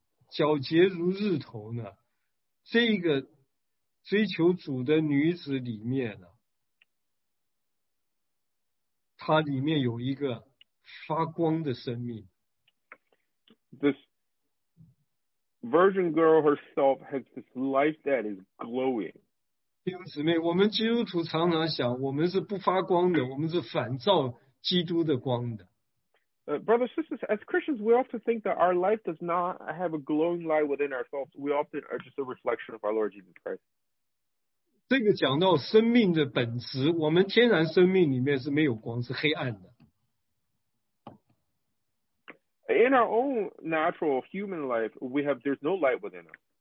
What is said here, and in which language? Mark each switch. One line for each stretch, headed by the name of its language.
Chinese: 这个皎洁如日头呢, 这个追求主的女子里面呢, 它里面有一个发光的生命。
English: This virgin girl herself has this life that is glowing.
Chinese: 弟兄姊妹, 我们基督徒常常想, 我们是不发光的, 我们是反照基督的光的。
English: Brothers and sisters, as Christians, we often think that our life does not have a glowing light within ourselves. We often are just a reflection of our Lord Jesus Christ.
Chinese: 这个讲到生命的本质, 我们天然生命里面是没有光, 是黑暗的。
English: In our own natural human life, we have there's no light within us.